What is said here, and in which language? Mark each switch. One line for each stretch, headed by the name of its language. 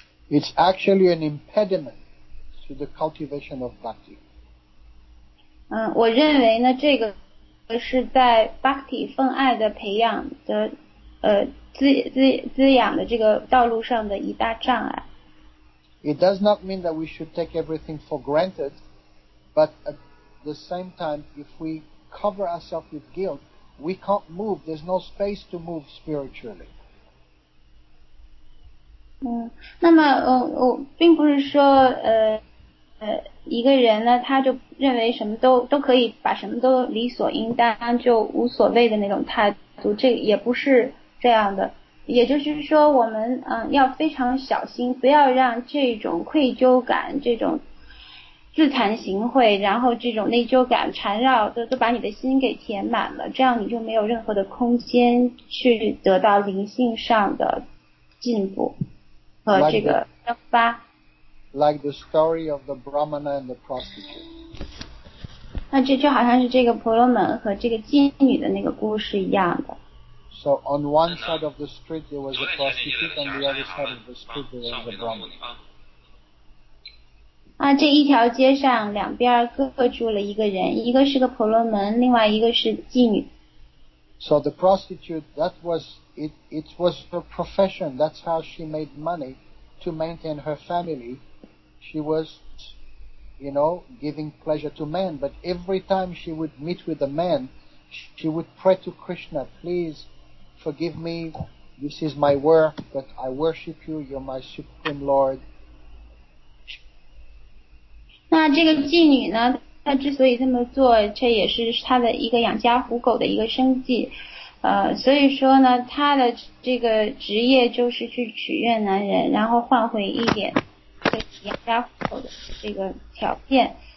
English: It's actually an impedimentto the cultivation of bhakti.
Chinese: 我认为呢，这个是在 bhakti 奉爱的培养的滋养的这个道路上的一大障碍。
English: It does not mean that we should take everything for granted, but at the same time, if we cover ourselves with guilt, we can't move. There's no space to move spiritually.
Chinese: 那么我并不是说一个人呢，他就认为什么都可以把什么都理所应当，就无所谓的那种态度，这也不是这样的。也就是说，我们要非常小心，不要让这种愧疚感、这种自惭形秽，然后这种内疚感缠绕，都把你的心给填满了，这样你就没有任何的空间去得到灵性上的进步和这个生发。
English: Like the story of the Brahmana and the prostitute.
Chinese: 那这就好像是这个婆罗门和这个妓女的那个故事一样的。
English: So on one side of the street there was a prostitute, on the other side of the street there was a Brahmana.
Chinese: 这一条街上两边各住了一个人，一个是个婆罗门，另外一个是妓女。
English: So the prostitute, that was, it was her profession. That's how she made money to maintain her family. She was, you know, giving pleasure to men. But every time she would meet with a man, she would pray to Krishna, please forgive me. This is my work, but I worship you. You're my supreme Lord.
Chinese: 那这个妓女呢，她之所以这么做，这也是她的一个养家糊口的一个生计，所以说呢，她的这个职业就是去取悦男人，然后换回一点这个养家糊口的这个条件。